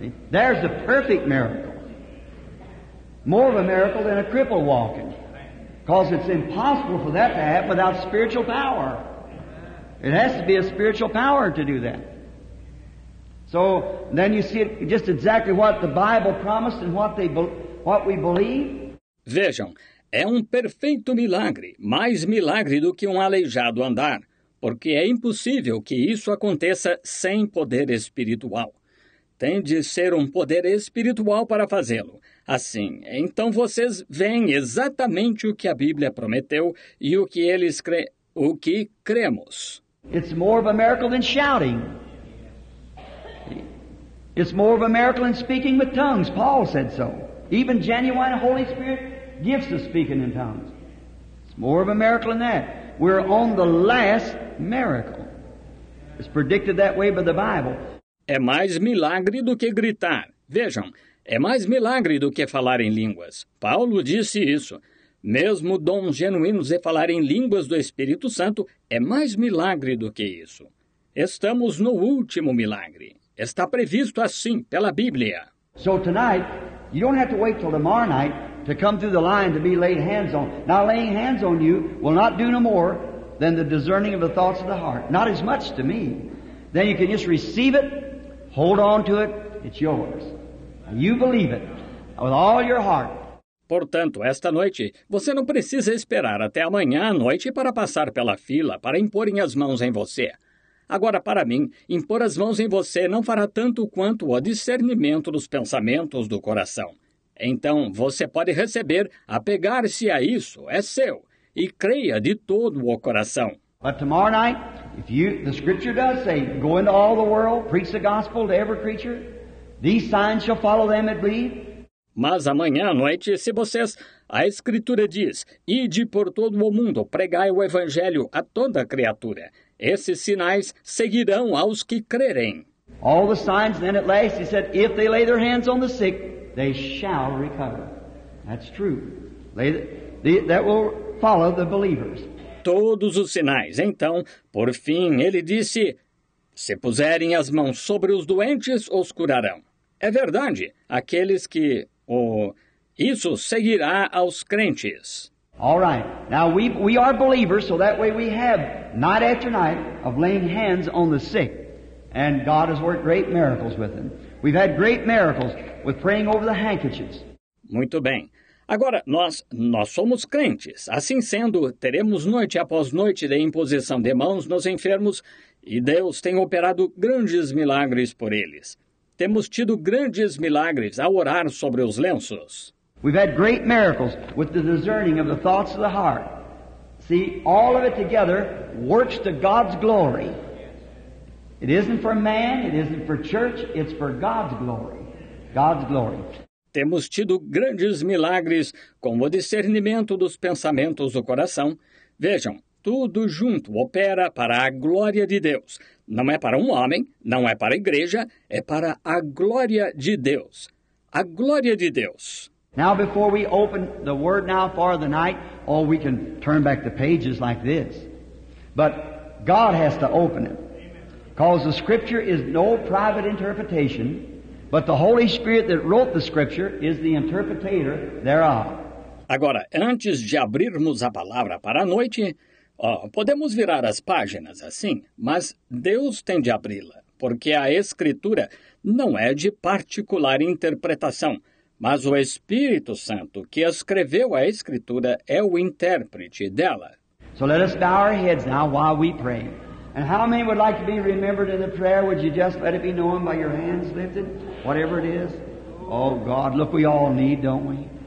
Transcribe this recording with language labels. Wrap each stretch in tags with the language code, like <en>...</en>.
<en>There's a perfect miracle. More of a miracle than a cripple walking. Because it's impossible for that to happen without spiritual power. It has to be a spiritual power to do that. So then you see it just exactly what the Bible promised and what we believe.</en> <pt>Vejam, é perfeito milagre, mais milagre do que aleijado andar, porque é impossível que isso aconteça sem poder espiritual. Tem de ser poder espiritual para fazê-lo. Assim, então vocês veem exatamente o que a Bíblia prometeu e o que eles o que cremos.</pt> <en>It's more of a miracle than shouting. It's more of a miracle than speaking with tongues. Paul said so. Even genuine Holy Spirit gifts of speaking in tongues. It's more of a miracle than that. We're on the last miracle. It's predicted that way by the Bible.</en> <pt>É mais milagre do que gritar. Vejam. É mais milagre do que falar em línguas. Paulo disse isso. Mesmo dons genuínos e falar em línguas do Espírito Santo é mais milagre do que isso. Estamos no último milagre. Está previsto assim pela Bíblia.</pt> <en>So tonight, you don't have to wait till tomorrow night to come through the line to be laid hands on. Now laying hands on you will not do no more than the discerning of the thoughts of the heart. Not as much to me. Then you can just receive it, hold on to it, it's yours. You believe it with all your heart.</en> <pt>Portanto, esta noite, você não precisa esperar até amanhã à noite para passar pela fila, para imporem as mãos em você. Agora, para mim, impor as mãos em você não fará tanto quanto o discernimento dos pensamentos do coração. Então, você pode receber, apegar-se a isso, é seu, e creia de todo o coração.</pt> <en>But tomorrow night, if you, the Scripture does say, go into all the world, preach the gospel to every creature. These signs shall follow them that believe.</en> <pt>Mas amanhã à noite, se vocês... A Escritura diz, ide por todo o mundo, pregai o Evangelho a toda criatura. Esses sinais seguirão aos que crerem.</pt> <en>All the signs, then at last, he said, if they lay their hands on the sick, they shall recover. That's true. That will follow the believers.</en> <pt>Todos os sinais. Então, por fim, ele disse... Se puserem as mãos sobre os doentes, os curarão. É verdade, aqueles que... isso seguirá aos crentes.</pt> <en>All right. Now, we are believers, so that way we have night after night of laying hands on the sick. And God has worked great miracles with them. We've had great miracles with praying over the handkerchiefs.</en> <pt>Muito bem. Agora, nós somos crentes. Assim sendo, teremos noite após noite de imposição de mãos nos enfermos... E Deus tem operado grandes milagres por eles. Temos tido grandes milagres ao orar sobre os lenços.</pt> <en>We've had great miracles with the discerning of the thoughts of the heart. See, all of it together works to God's glory. It isn't for man, it isn't for church, it's for God's glory. God's glory.</en> <pt>Temos tido grandes milagres com o discernimento dos pensamentos do coração. Vejam. Tudo junto opera para a glória de Deus. Não é para um homem, não é para a igreja, é para a glória de Deus. A glória de Deus.</pt> <en>Now before we open the word now for the night, oh, we can turn back the pages like this. But God has to open it. Because the Scripture is no private interpretation. But the Holy Spirit that wrote the Scripture is the interpretator thereof.</en> <pt>Agora, antes de abrirmos a palavra para a noite, podemos virar as páginas assim, mas Deus tem de abri-la, porque a Escritura não é de particular interpretação, mas o Espírito Santo que escreveu a Escritura é o intérprete dela.</pt> <en>So let us bow our heads now while we pray. And how many would like to be remembered in the prayer? Would you just let it be known by your hands lifted? Whatever it is. Oh God, look, we all need, don't we?</en>